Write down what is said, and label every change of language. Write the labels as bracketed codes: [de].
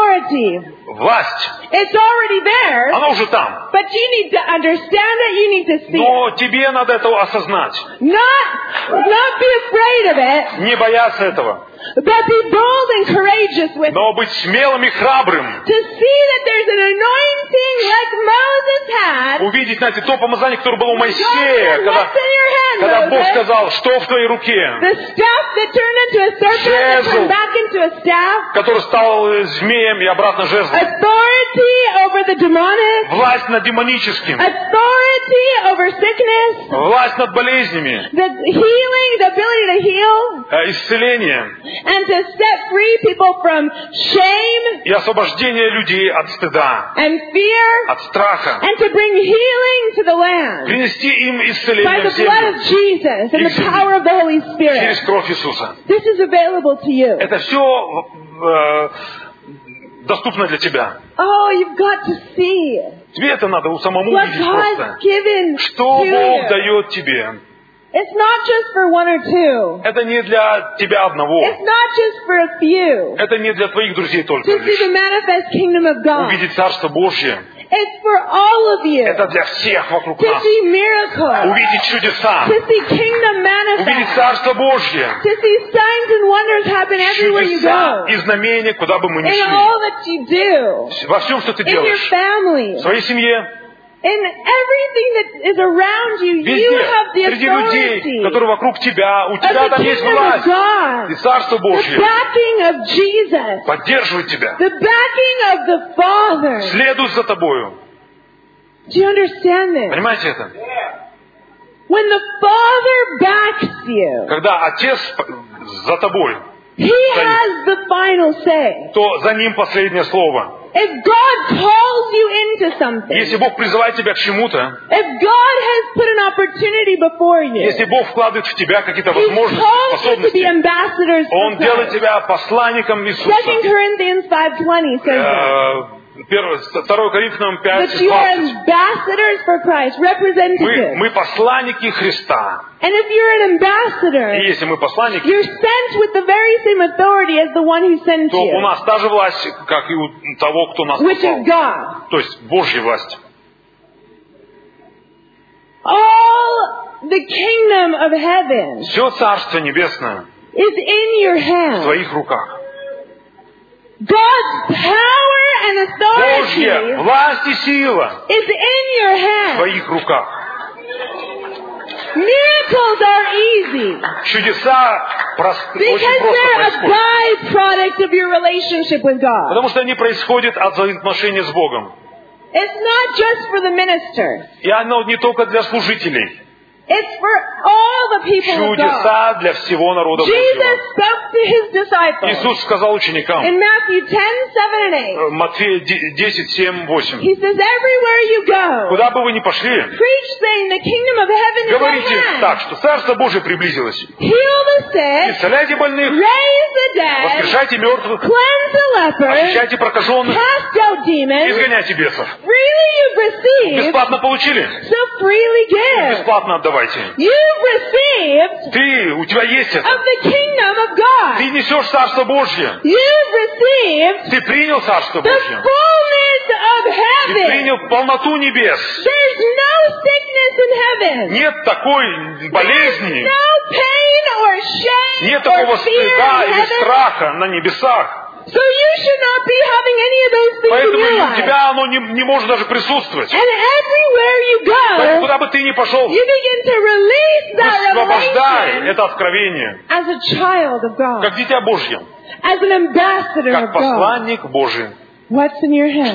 [ru] Власть. [en] It's already there. [ru] Она уже там. [en] But you need to understand it. You need to see. [ru] Но тебе надо это осознать. [en] Not be afraid of it. [ru] Не бояться этого. [en] But be bold and courageous with it. [ru] Но быть смелым и храбрым. [en] To see that there's an anointing like Moses had. [ru] Увидеть, знаете, то помазание, которое было у Моисея, когда Бог сказал, что в твоей руке. [en] The staff that turned into a serpent and turned back into a staff. [ru] Который стал змеем и обратно жезлом. [en] Authority over the demonic. [ru] Власть над демоническим. [en] Authority. authority over sickness. [ru] Власть над болезнями. [en] The healing, the ability to heal. [ru] Исцеление. [en] And to set free people from shame. [ru] И освобождение людей от стыда. [en] And fear. [ru] От страха. [en] And to bring healing to the land. [ru] Принести им исцеление. [en] By the blood of Jesus and the power of the Holy Spirit. [ru] Через кровь Иисуса. [en] This is available to you. [ru] Это все доступно для тебя. [en] Oh, you've got to see. [ru] Тебе это надо у самому увидеть просто. Что Бог дает тебе? [en] It's not just for one or two. [ru] Это не для тебя одного. [en] It's not just for a few. [ru] Это не для твоих друзей только. [en] To see the manifest kingdom of God. [ru] Увидеть Царство Божье. [en] It's for all of you. [ru] Это для всех вокруг [en] to [ru] нас. [en] To see miracles. [ru] Увидеть чудеса. [en] To see kingdom manifest. [ru] Увидеть Царство Божье. [en] To see signs and wonders happen everywhere you go. [ru] Чудеса и знамения, куда бы мы ни шли. [en] In all that you do. [ru] Во всем, что ты делаешь. [en] In your family. [ru] В своей семье. [en] In everything that is around you, [ru] везде, [en] you have the authority. [ru] Людей, которые вокруг тебя, у тебя там есть власть. И Царство Божье. [en] The backing of Jesus. [ru] Поддерживает тебя. [en] The backing of the Father. [ru] Следует за тобою. [en] Do you understand this? [ru] Понимаете это? [en] When the Father backs you. [ru] Когда Отец за тобой. [en] He has the final say. [ru] То за ним последнее слово. [en] If God calls you into something, [ru] если Бог призывает тебя к чему-то, [en] if God has put an opportunity before you, [ru] если Бог вкладывает в тебя какие-то возможности, способности, [en] to be ambassadors for [ru] Он делает тебя посланником Иисуса. [en] 2 Corinthians 5:20 says that you are ambassadors for Christ, representatives. [ru] Мы посланники Христа. [en] And if you're an ambassador, you're sent with the very same authority as the one who sent you. [ru] То у нас та же власть, как и у того, кто нас послал. [en] Which is God. [ru] То есть Божья власть. [en] All the kingdom of heaven. [ru] Все царство небесное. [en] Is in your hands. [ru] В твоих руках. [en] God's power and authority is in your hands. [ru] В твоих руках. [en] Miracles are easy. [ru] Чудеса просты. [en] Because they're a byproduct of your relationship with God. [ru] Потому что они происходят от взаимоотношений с Богом. [en] It's not just for the minister. [ru] И оно не только для служителей. [en] It's for all the people of God. [ru] Чудеса для всего народа Божьего. Иисус сказал ученикам [en] in Matthew 10:7-8. [ru] Матфея 10:7-8. [en] He says, everywhere you go, [ru] куда бы вы ни пошли, [en] preach saying the kingdom of heaven is at hand. [ru] Говорите так, что Царство Божие приблизилось. [en] Heal the sick. [ru] Исцеляйте больных. [en] Raise the dead. [ru] Воскрешайте мертвых. [en] Cleanse the lepers. [ru] Очищайте прокаженных. [en] Cast out demons. [ru] Изгоняйте бесов. [en] Freely you've received. [ru] Бесплатно получили. [en] So freely give. [ru] Бесплатно отдавайте. [en] You've received. [ru] Ты, у тебя есть это. [en] Of the kingdom of God. [ru] Ты несешь Царство Божье. [en] You've received. [ru] Ты принял Царство Божье. [en] The fullness of heaven. [ru] Ты принял полноту небес. [en] There's no sickness in heaven. [ru] Нет такой болезни. [en] There's no pain or shame. [ru] Нет такого стыда или страха на небесах. [en] So you should not be having any of those things. [ru] Поэтому [en] in your [ru] life. У тебя оно не может даже присутствовать. [en] And everywhere you go, [ru] поэтому куда бы ты ни пошел, [en] you begin to release that revelation. [ru] Высвобождай это откровение. [en] As a child of God. [ru] Как дитя Божье. [en] As an ambassador of God. [ru] Как посланник Божий. [en] What's in your hand?